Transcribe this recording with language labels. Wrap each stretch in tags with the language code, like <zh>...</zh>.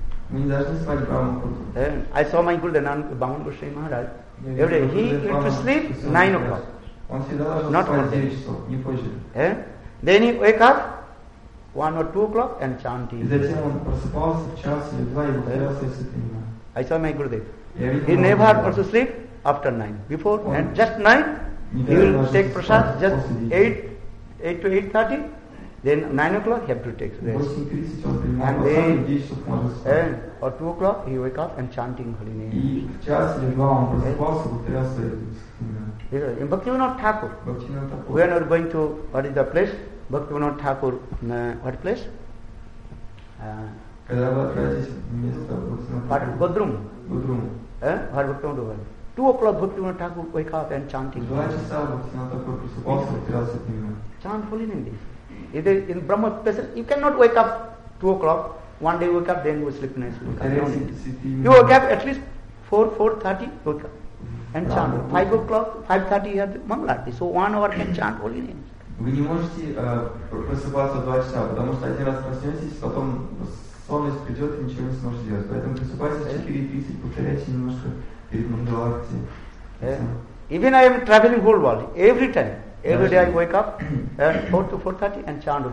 <en>And I saw my Gurudev Nanak Bhavan Goswami Maharaj. Every day he went to sleep 9 o'clock.</en> <ru>Он всегда должен спать 9 часов, не позже.</ru> <en>Then he wake up 1 or 2 o'clock and chanting.</en> <ru>И затем он просыпался в час или два и повторялся с этим.</ru> <en>I saw my Gurudev. He never also sleep after 9. Before and just 9, he will take prasad just 8 to 8:30. Then 9 o'clock he have to take rest.</en> <ru>8:30 он принимал прасад, 10 часов можно спать.</ru> <en>And at 2 o'clock he wake up and chanting holy name.</en> <ru>И час или два он просыпался, повторялся с этим.</ru> <en>In Bhaktivinoda Thakur, Thakur, when we are going to, what is the place? Bhaktivinoda Thakur, what place? Bodrum. Bodrum. What Bhaktivinoda Thakur? 2 o'clock Bhaktivinoda Thakur wake up and chanting. Two hours Bhaktivinoda Thakur, chant holy name. Either in Brahma special, you cannot wake up 2 o'clock. One day wake up, then go sleep nice. You wake up at least 4:30 wake up and chant. 5 o'clock, 5:30 you have the Mangalarti. So 1 hour can chant holy name.</en> <ru>Вы не можете просыпаться 2 часа, потому что один раз проснетесь, потом сонность придет и ничего не сможете делать. Поэтому просыпайтесь 4:30, повторяйте немножко перед Мангаларти.</ru> <en>Even I am traveling whole world, every time, every day I wake up at 4 to 4:30 and chant.</en>